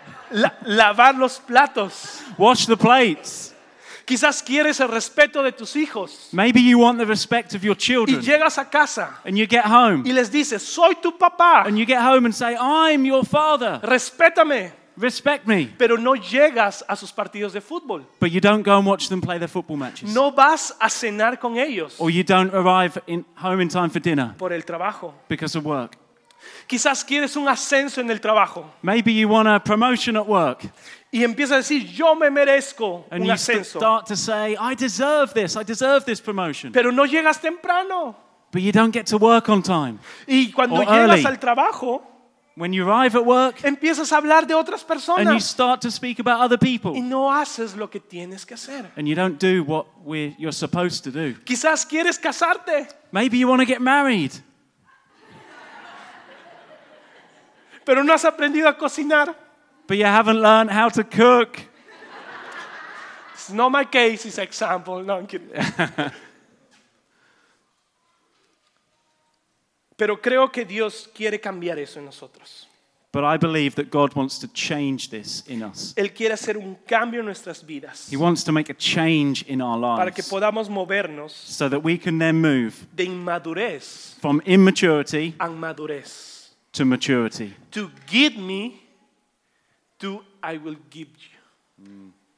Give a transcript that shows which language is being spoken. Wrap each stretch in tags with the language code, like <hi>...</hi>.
<es>Lavar los platos.</es> <en>Wash the plates.</en> <es>Quizás quieres el respeto de tus hijos.</es> <en>Maybe you want the respect of your children.</en> <es>Y llegas a casa.</es> <en>And you get home.</en> <es>Y les dices, soy tu papá.</es> <en>And you get home and say, I'm your father.</en> <es>Respétame.</es> <en>Respect me.</en> <es>Pero no llegas a sus partidos de fútbol.</es> <en>But you don't go and watch them play their football matches.</en> <es>No vas a cenar con ellos.</es> <en>Or you don't arrive home in time for dinner.</en> <es>Por el trabajo.</es> <en>Because of work.</en> <es>Quizás quieres un ascenso en el trabajo.</es> <en>Maybe you want a promotion at work.</en> <es>Y empiezas a decir, yo me merezco</es> <en>and</en> <es>un ascenso.</es> <en>And you start to say, I deserve this promotion.</en> <es>Pero no llegas temprano.</es> <en>But you don't get to work on time.</en> <es>Y cuando</es> <en>or</en> <es>llegas</es> <en>early.</en> <es>Al trabajo.</es> <en>When you arrive at work,</en> <es>empiezas a hablar de otras personas,</es> <en>and you start to speak about other people,</en> <es>y no haces lo que tienes que hacer.</es> <en>And you don't do what you're supposed to do.</en> <es>Quizás quieres casarte.</es> <en>Maybe you want to get married.</en> <es>Pero no has aprendido a cocinar.</es> <en>But you haven't learned how to cook. It's not my case, it's an example. No, I'm kidding.</en> <es>Pero creo que Dios quiere cambiar eso en nosotros.</es> <en>But I believe that God wants to change this in us.</en> <es>Él quiere hacer un cambio en nuestras vidas.</es> <en>He wants to make a change in our lives.</en> <es>Para que podamos movernos.</es> <en>So that we can then move.</en> <es>De inmadurez.</es> <en>From immaturity.</en> <es>A madurez.</es> <en>To maturity. To give me, to I will give you.</en>